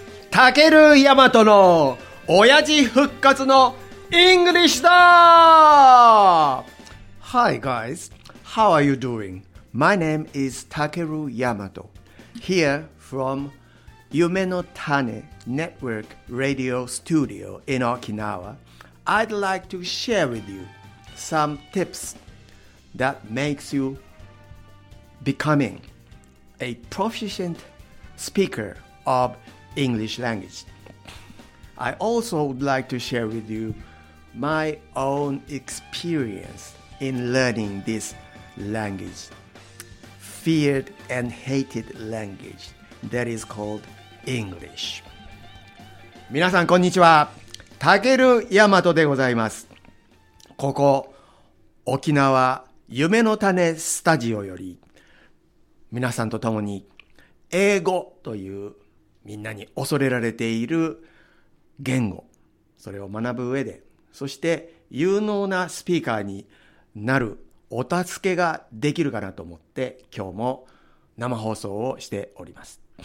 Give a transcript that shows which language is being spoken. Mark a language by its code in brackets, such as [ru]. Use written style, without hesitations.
[ja] タケルヤマトの親父復活のイングリッシュだ。 [en] Hi guys, how are you doing? My name is Takeru Yamato. Here from 夢の種 Network Radio Studio in Okinawa, I'd like to share with you some tips that makes you becoming a proficient speaker of English language. I also would like to share with you my own experience in learning this language, feared and hated language that is called English. [ja] 皆さんこんにちは。タケルヤマトでございます。ここ沖縄夢の種スタジオより皆さんと共に英語というみんなに恐れられている言語、それを学ぶ上で、そして有能なスピーカーになるお助けができるかなと思って、今日も生放送をしております。